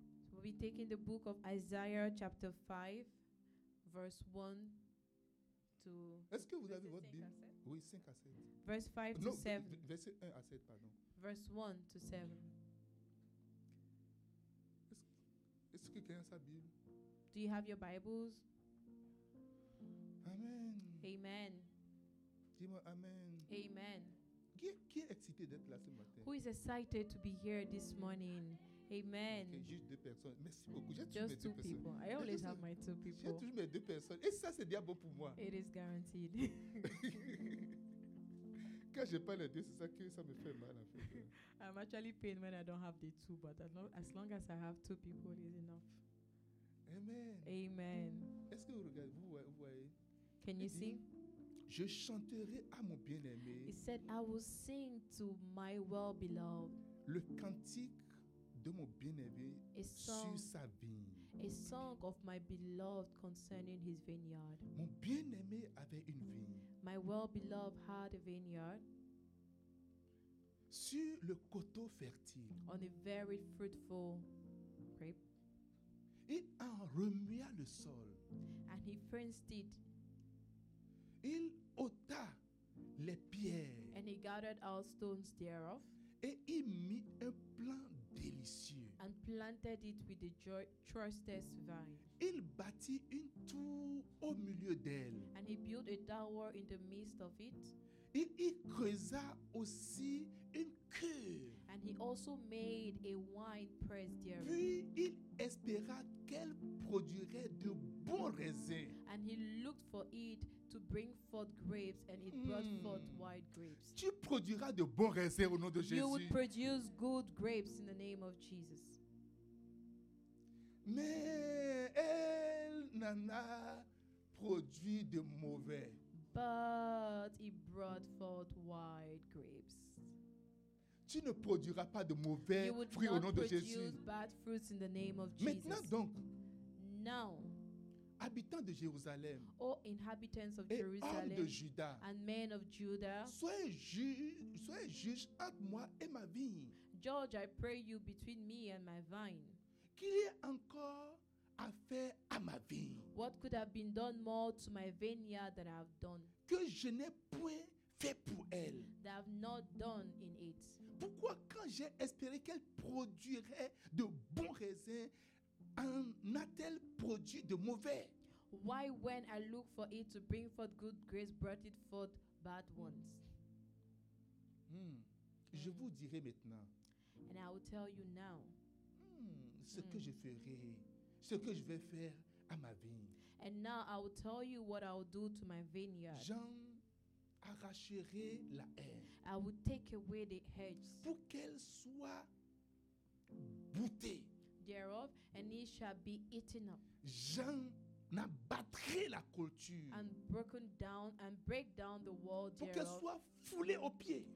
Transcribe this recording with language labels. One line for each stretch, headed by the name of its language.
English: So we'll be taking the book of Isaiah, chapter 5, verse 1.
French: Est-ce que vous avez votre Bible? Oui, 5 à 7.
English: Verse 5 to 7.
French: Verset 1 à 7, pardon.
English: Verse 1 to 7.
French: Est-ce que quelqu'un a sa Bible?
English: Do you have your Bibles? Amen. Amen.
French: Dis-moi amen.
English: Amen.
French: Qui est excité d'être là ce matin?
English: Who is excited to be here this morning? Amen.
French: Okay, juste deux personnes. Merci beaucoup. J'ai
English: just two
French: deux
English: people.
French: Personnes.
English: I always have my two people.
French: J'ai toujours mes deux personnes. Et ça, c'est bien bon pour moi.
English: It is guaranteed.
French: Quand j'ai pas les deux, c'est ça que ça me fait mal. En fait.
English: I'm actually pained when I don't have the two, but as long as I have two people, it's enough. Amen. Amen.
French: Est-ce que vous regardez, vous voyez?
English: Can you see?
French: Je chanterai à mon bien-aimé.
English: He said, I will sing to my well-beloved.
French: Le cantique de mon bien-aimé
English: song,
French: sur sa vigne.
English: A song of my beloved concerning his vineyard.
French: Mon bien-aimé avait une vigne.
English: My well-beloved had a vineyard.
French: Sur le coteau fertile.
English: On a very fruitful grape.
French: Il en remua le sol.
English: And he fenced it.
French: Il ôta les pierres.
English: And he gathered all stones thereof.
French: Et il mit un plant délicieux.
English: And planted it with the choicest vine.
French: Il bâtit une tour au milieu d'elle.
English: And he built a tower in the midst of it.
French: Il y creusa aussi une cuve.
English: And he also made a wine press thereof.
French: Puis il espéra qu'elle produirait de bons raisins.
English: And he looked for it to bring forth grapes, and it brought forth white grapes.
French: Tu produiras de bons raisins au nom de Jésus.
English: You would produce good grapes in the name of Jesus.
French: Mais elle n'en a produit de mauvais.
English: But it brought forth white grapes.
French: Tu ne produiras pas de mauvais fruits au nom de Jésus.
English: You would not produce bad fruits in the name of Jesus.
French: Maintenant donc.
English: Now.
French: Habitants de Jérusalem,
English: oh, inhabitants of Jerusalem,
French: de Judas,
English: and men of Judah,
French: soyez juges entre moi et ma vigne.
English: Judge, I pray you, between me and my vine.
French: Qu'il y ait encore à faire à ma vigne.
English: What could have been done more to my vineyard than I have done?
French: Que je n'ai point fait pour elle.
English: That I have not done in it.
French: Pourquoi quand j'ai espéré qu'elle produirait de bons raisins, en a-t-elle produit de mauvais?
English: Why, when I look for it to bring forth good grapes, brought it forth bad ones?
French: Je vous dirai maintenant.
English: And I will tell you now.
French: Ce que je ferai, ce que je vais faire à ma vigne.
English: And now I will tell you what I will do to my vineyard.
French: J'en arracherai la haie.
English: I will take away the hedges.
French: Pour qu'elle soit boutée.
English: Thereof, and it shall be eaten up.
French: J'en abattrai la culture.
English: And broken down and break down the wall thereof.
French: Pour qu'elle soit foulée aux pieds.